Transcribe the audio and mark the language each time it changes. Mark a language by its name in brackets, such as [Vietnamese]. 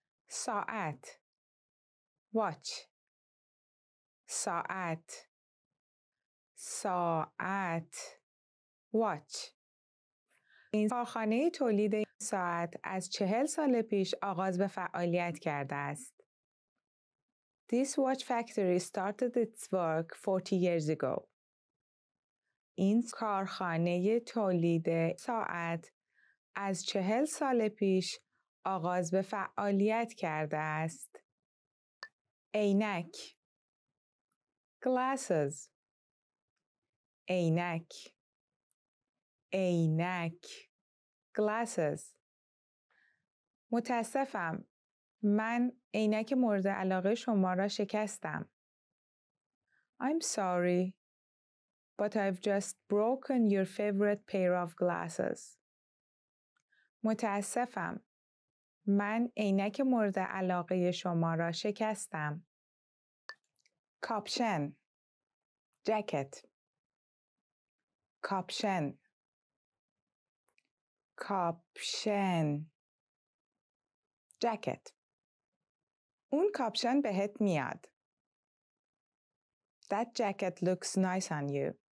[Persian] ساعت watch ساعت ساعت watch این کارخانه تولید ساعت از 40 سال پیش آغاز به فعالیت کرده است. [English] This watch factory started its work 40 years ago. [Persian] این کارخانه تولید ساعت از 40 سال پیش آغاز به فعالیت کرده است. عینک glasses عینک عینک glasses متاسفم من عینک مورد علاقه شما را شکستم. [English] I'm sorry but I've just broken your favorite pair of glasses. [Persian] متاسفم من عینک مورد علاقه شما را شکستم. کاپشن جکت کاپشن کاپشن جکت اون کاپشن بهت میاد. [English] That jacket looks nice on you.